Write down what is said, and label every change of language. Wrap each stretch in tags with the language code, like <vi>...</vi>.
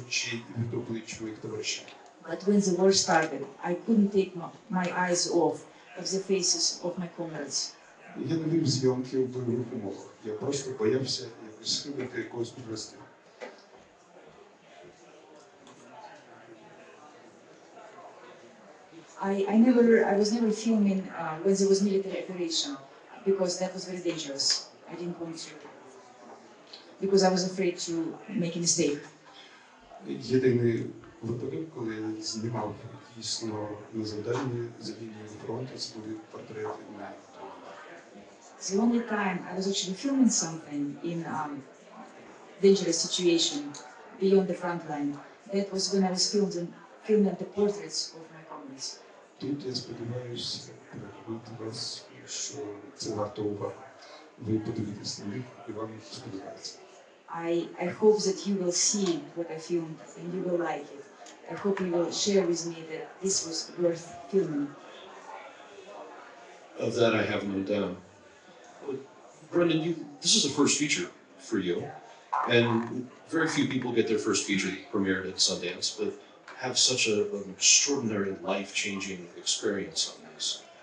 <en>But when the war started, I couldn't take my eyes off of the faces of my comrades.</en> <uk>Я не любив зйомки в бойових умовах. Я просто боявся якось схибити якогось підрости.</uk> <en>I was never filming when there was military operation, because that was very dangerous. I didn't want to, because I was afraid to make a mistake.</en> <uk>єдиний випадок, коли я знімав дійсно на завдання за лінією фронту, це були портрети.</uk> <en>The only time I was actually filming something in a dangerous situation beyond the front line, that was when I was filming the portraits of my comrades.</en> <uk>Тут я сподіваюся переконати вас, що це варто уваги. Ви подивитесь на них і вам сподобається.</uk> <en>I hope that you will see what I filmed and you will like it. I hope you will share with me that this was worth filming. Of that I have no doubt. Brendan, this is a first feature for you, and very few people get their first feature premiered at Sundance, but have such an extraordinary life-changing experience on this.</en>